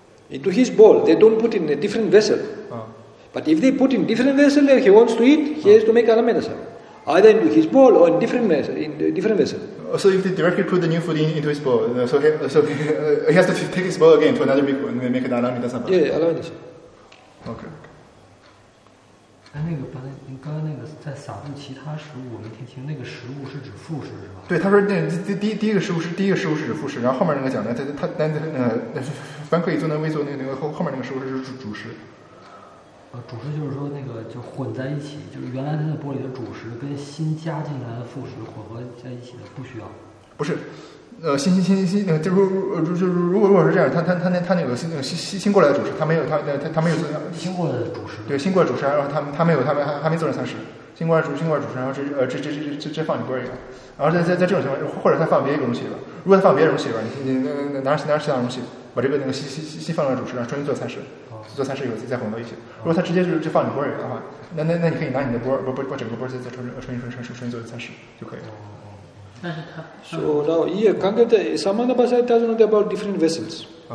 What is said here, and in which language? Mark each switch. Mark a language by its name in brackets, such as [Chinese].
[English] Into his bowl. They don't put in a different vessel. But if they put in different vessel and he wants to eat, he has to make Alameta Sabha. Either into his bowl or in different vessel. So if they directly put the new food into his bowl, so he has to take his bowl again to another bhikkhu and make an Alameta Sabha. Yeah, Alameta Sabha. Okay. [Chinese] 刚刚那个在撒布其他食物，我没听清。那个食物是指副食是吧？对，他说第一个食物是指副食，然后后面那个讲的，他凡可以做那未做那个后面那个食物是主食。主食就是说那个就混在一起，就是原来那玻璃的主食跟新加进来的副食混合在一起的，不需要。不是。新那个如果是这样，他那个新过来的主食，他没有新过来的主食，对，新过来主食，然后他没有做成餐食，新过来主食，然后这放一锅里了，然后在这种情况，或者他放别的容器里吧，如果他放别的容器里吧，你拿其他容器把这个那个新放到主食上，重新做餐食，做餐食以后再混到一起，如果他直接就放你锅里的话，那你可以拿你的锅不整个锅再重新做餐食就可以了。 [English] So now here, Kangavidya, Samandabhasaya tells us about different vessels.